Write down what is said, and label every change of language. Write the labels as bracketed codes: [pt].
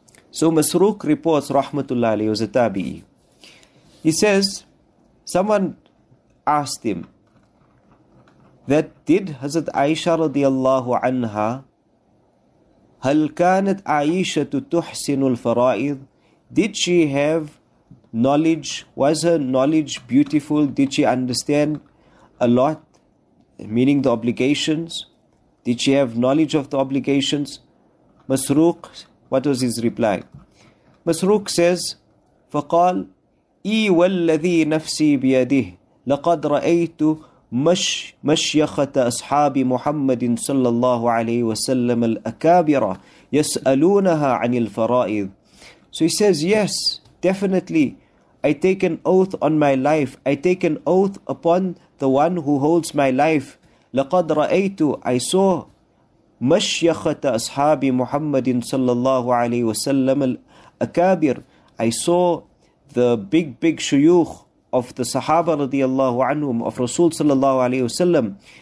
[en] So Masruq reports, rahmatullah alayhi, he was a tabi'i. He says, someone asked him, that did Hazrat Aisha radiallahu anha, [ar] هل كانت عائشة تحسن الفرائض, [en] did she have knowledge, was her knowledge beautiful? Did she understand a lot, meaning the obligations? Did she have knowledge of the obligations? Masruq, what was his reply? Masruq says, [ar] فقال, إي والذي نفسي بيده لقد رأيت مشيخة أصحاب محمد صلى الله عليه وسلم الأكابرة يسألونها عن الفرائض. [en] So he says, yes, definitely, I take an oath on my life. I take an oath upon the one who holds my life. [ar] لَقَدْ رَأَيْتُ, [en] I saw [ar] مَشْيَخَةَ أَصْحَابِ مُحَمَّدٍ صَلَّى اللَّهُ عَلَيْهِ وَسَلَّمَ الْأَكَابِرِ, [en] I saw the big, big shuyukh of the Sahaba radiallahu anhum, of Rasul sallallahu alayhi wasallam.